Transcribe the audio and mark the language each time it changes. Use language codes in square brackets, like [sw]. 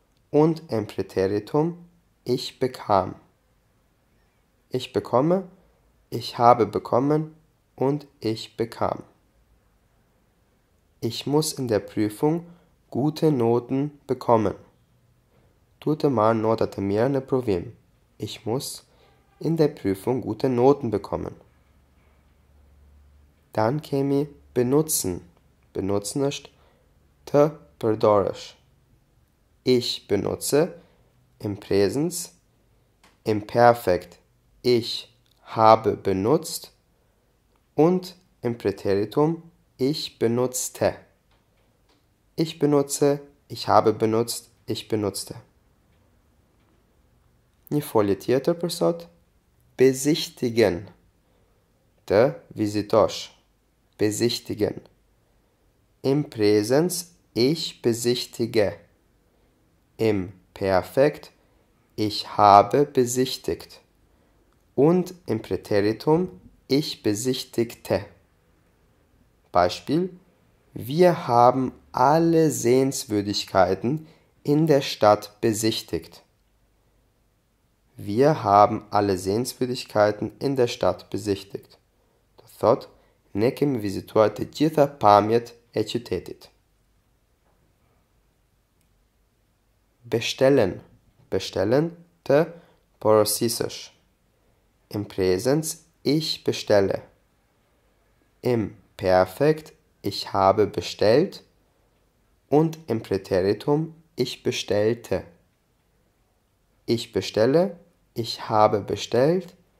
[de] Und im Präteritum, ich bekam. Ich bekomme, ich habe bekommen und ich bekam. Ich muss in der Prüfung gute Noten bekommen. [sq] Tute man notate mir ne provim. [de] Ich muss in der Prüfung gute Noten bekommen. Dann käme benutzen. Benutzen ist të përdorësh. Ich benutze im Präsens, im Perfekt, ich habe benutzt und im Präteritum, ich benutzte. Ich benutze, ich habe benutzt, ich benutzte. [sq] Një folje tjetër për sot. [de] Besichtigen. [sq] Të vizitosh. [de] Besichtigen. Im Präsens, ich besichtige. Im Perfekt, ich habe besichtigt. Und im Präteritum, ich besichtigte. Beispiel, wir haben alle Sehenswürdigkeiten in der Stadt besichtigt. Wir haben alle Sehenswürdigkeiten in der Stadt besichtigt. [sq] Dort ne kemi vizituar të gjitha pamjet e qytetit. [de] Bestellen. Bestellen [sq] të porosisësh. [de] Im Präsens, ich bestelle. Im Perfekt, ich habe bestellt. Und im Präteritum, ich bestellte. Ich bestelle, ich habe bestellt.